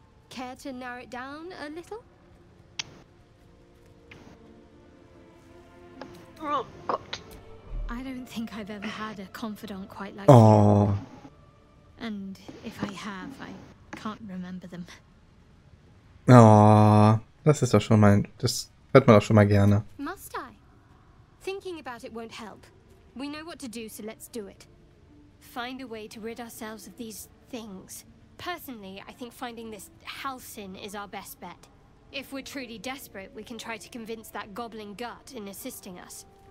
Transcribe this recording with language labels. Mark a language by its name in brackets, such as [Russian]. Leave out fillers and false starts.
[English] Care to narrow it down a little? [German] Oh Gott. [English] I don't think I've ever had a confidant quite like you. Oh. And if I have, I can't remember them. [German] Oh, das ist doch schon mal, das hört man doch schon mal gerne. [English] Must I? Thinking about it won't help. We know what to do, so let's do it. Find a way to rid ourselves of these things. Personally, I think finding this Halsin is our best bet. If we're truly desperate, we can try to convince that goblin gut in assisting us.